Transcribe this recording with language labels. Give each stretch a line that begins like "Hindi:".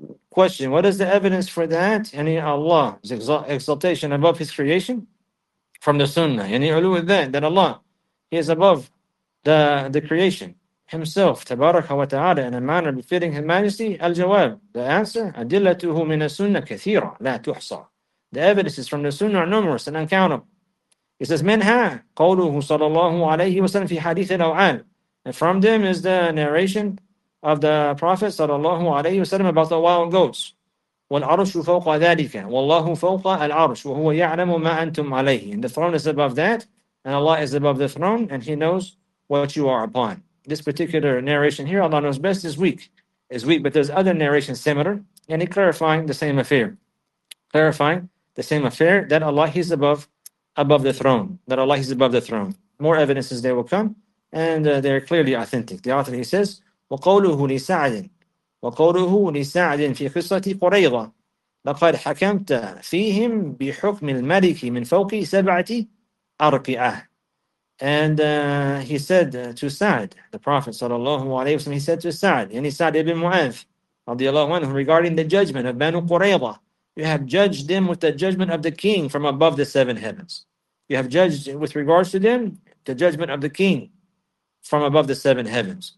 English: Question, what is the evidence for that? Any Allah's exaltation above His creation? From the sunnah. Any ulu dhat, that Allah, He is above the creation Himself, tabaraka wa ta'ala, in a manner befitting His majesty.
Arabic: Al-jawab,
English: the answer,
Arabic: adillatuhu min as-sunnah kathira, la tuhsa.
English: The evidences from the sunnah are numerous and uncountable. He says,
Arabic: منها قوله صلى الله عليه وسلم في حديث الأوعال.
English: And from them is the narration of the Prophet صلى الله عليه وسلم about the wild goats.
Arabic: والعرش فوق ذلك والله فوق العرش وهو يعلم ما أنتم عليه.
English: And the throne is above that, and Allah is above the throne, and He knows what you are upon. This particular narration here, Allah knows best, is weak, but there's other narrations similar, and He clarifying the same affair, that Allah is above the throne. More evidences there will come, and they're clearly authentic. The author, he says,
Arabic: وَقَوْلُهُ لِسَعْدٍ فِي خِصَّةِ قُرَيْضَ لَقَدْ حَكَمْتَ فِيهِمْ بِحُكْمِ الْمَلِكِ مِنْ فَوْقِ سَبْعَةِ أَرْقِعَةِ.
English: And he said to Sa'd, the Prophet sallallahu alayhi wa sallam, he said to Sa'd, yani Sa'd ibn Mu'adh, radiallahu anhu, regarding the judgment of Banu Qurayza, you have judged them with the judgment of the king from above the seven heavens. You have judged with regards to them the judgment of the king from above the seven heavens.